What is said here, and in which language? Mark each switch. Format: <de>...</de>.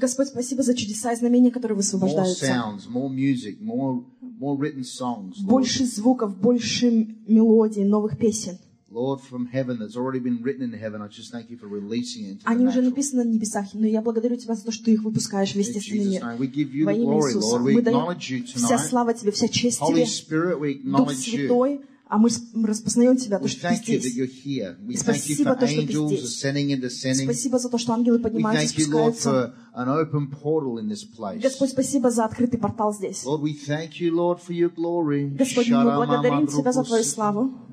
<ru>Господь, спасибо за чудеса и знамения, которые высвобождаются.</ru> <en>More sounds, more music, more written songs.</en> <ru>Больше звуков, больше мелодий, новых песен.</ru> <en>Lord, from heaven, that's already been written in heaven. I just thank you for releasing it.</en> <ru>Они уже написаны на небесах, но я благодарю тебя за то, что их выпускаешь в естественный мир.</ru> <en>We give you the glory, Lord. We acknowledge you tonight.</en> <ru>Вся слава тебе, вся честь тебе.</ru> <en>Holy Spirit, we acknowledge you.</en> <ru>А мы распознаем тебя, то, что ты здесь.</ru> <en>You,</en> <ru>спасибо, то, что ты здесь.</ru> <en>Ascending and descending.</en> <ru>Спасибо за то, что ангелы поднимаются и спускаются.</ru> <en>An open portal in this place.</en> <ru>Господь, спасибо за открытый портал здесь.</ru> <en>Lord, we thank you, Lord, for your glory.</en> <ru>Господи, мы благодарим тебя за твою славу.</ru>